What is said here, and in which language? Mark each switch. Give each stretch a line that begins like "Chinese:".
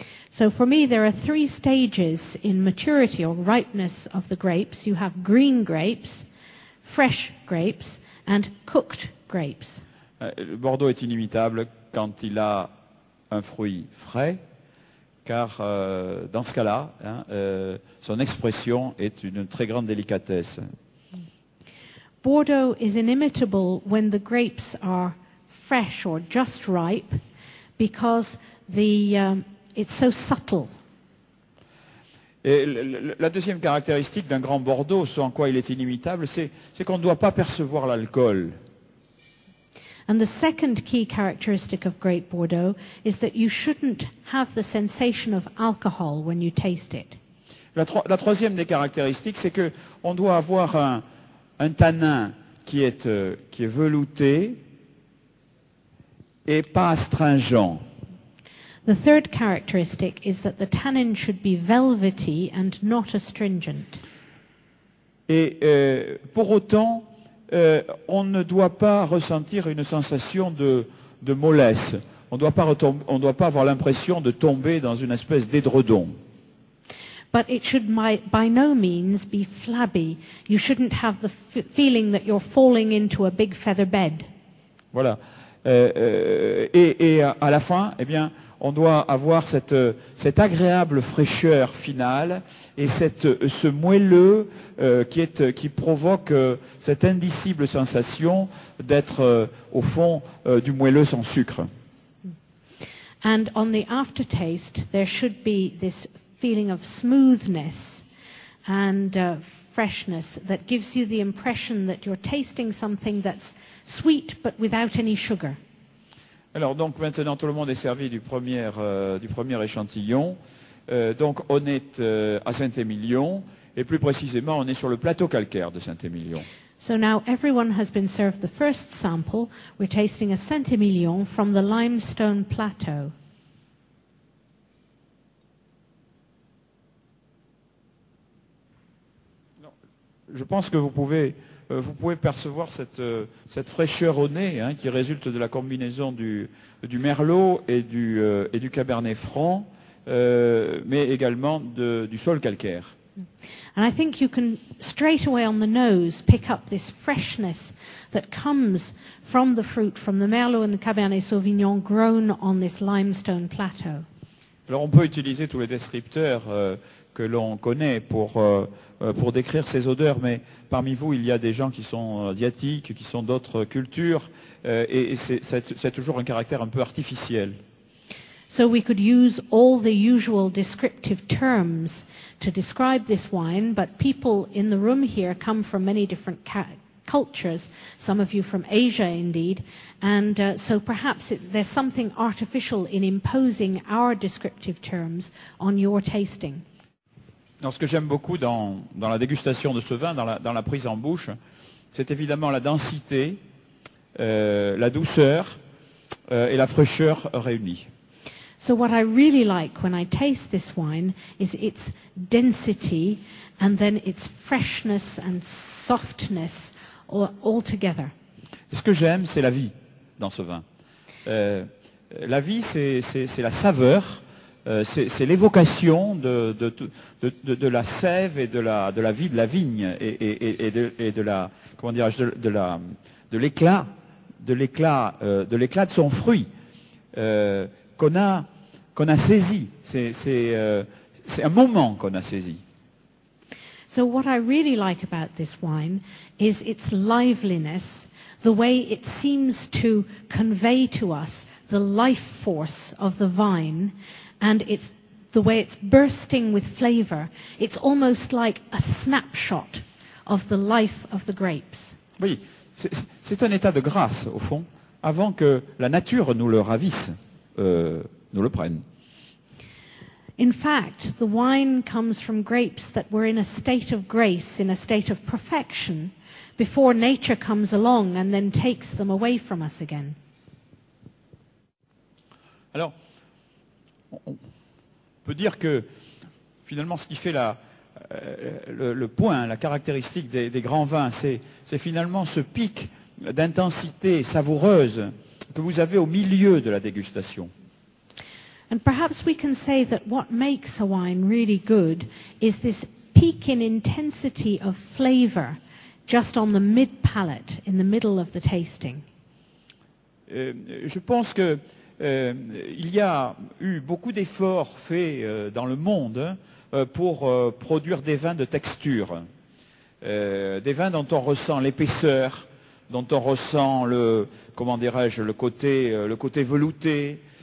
English: So for me, there are three stages in maturity or ripeness of the grapes. You have green grapes, fresh grapes and cooked grapes.
French: Bordeaux est inimitable quand il a un fruit frais, car dans ce cas-là, son expression est une très grande délicatesse.
English: Bordeaux is inimitable when the grapes are fresh or just ripe, because it's so subtle.
French: Et la deuxième caractéristique d'un grand Bordeaux, ce en quoi il est inimitable, c'est qu'on ne doit pas percevoir l'alcool.
English: And the second key characteristic of Great Bordeaux is that you shouldn't have the sensation of alcohol when you taste it.
French: La troisième des caractéristiques, c'est que on doit avoir un tanin qui est velouté et pas astringent.
English: The third characteristic is that the tannin should be velvety and not astringent.
French: Et pour autant, on ne doit pas ressentir une sensation de mollesse. On ne doit pas avoir l'impression de tomber dans une espèce d'édredon.
English: But it should by no means be flabby. You shouldn't have the feeling that you're falling into a big feather bed.
French: Voilà. Et à la fin, eh bien, on doit avoir cette agréable fraîcheur finale et ce moelleux qui provoque cette indicible sensation d'être au fond du moelleux sans sucre.
English: And on the aftertaste, there should be this feeling of smoothness and freshness that gives you the impression that you're tasting something that's sweet but without any sugar.
French: Alors donc maintenant tout le monde est servi du premier échantillon. Donc on est à Saint-Émilion et plus précisément on est sur le plateau calcaire de Saint-Émilion.
English: So now everyone has been served the first sample. We're tasting a Saint-Émilion from the limestone plateau.
French: Non, je pense que vous pouvez percevoir cette fraîcheur au nez hein, qui résulte de la combinaison du Merlot et du Cabernet Franc, mais également du sol calcaire.
English: And I think you can straight away on the nose pick up this freshness that comes from the fruit, from the Merlot and the Cabernet Sauvignon grown on this limestone plateau.
French: Alors on peut utiliser tous les descripteurs que l'on connaît pour décrire ces odeurs, mais parmi vous, il y a des gens qui sont asiatiques, qui sont d'autres cultures, et c'est toujours un caractère un peu artificiel.
English: So we could use all the usual descriptive terms to describe this wine, but people in the room here come from many different cultures, some of you from Asia indeed, and so perhaps there's something artificial in imposing our descriptive terms on your tasting.
French: Alors ce que j'aime beaucoup dans la dégustation de ce vin, dans la prise en bouche, c'est évidemment la densité, la douceur et la fraîcheur réunies.
English: So what I really like when I taste this wine is its density and then its freshness and softness all together.
French: Ce que j'aime, c'est la vie dans ce vin. La vie, c'est la saveur c'est l'évocation de la sève et de la vie de la vigne et de la comment dirais-je de la de l'éclat de l'éclat de l'éclat de son fruit qu'on a saisi. C'est un moment qu'on a saisi.
English: So what I really like about this wine is its liveliness, the way it seems to convey to us the life force of the vine, and it's the way it's bursting with flavor. It's almost like a snapshot of the life of the grapes.
French: Oui, c'est un état de grâce au fond, avant que la nature nous le ravisse, nous le prenne.
English: In fact, the wine comes from grapes that were in a state of grace, in a state of perfection, before nature comes along and then takes them away from us again.
French: Alors, on peut dire que finalement ce qui fait le point, la caractéristique des grands vins, c'est finalement ce pic d'intensité savoureuse que vous avez au milieu de la dégustation.
English: And perhaps we can say that what makes a wine really good is this peak in intensity of flavor just on the mid palate, in the middle of the tasting.
French: Je pense que il y a eu beaucoup d'efforts faits dans le monde pour produire des vins de texture, des vins dont on ressent l'épaisseur, dont on ressent le côté velouté.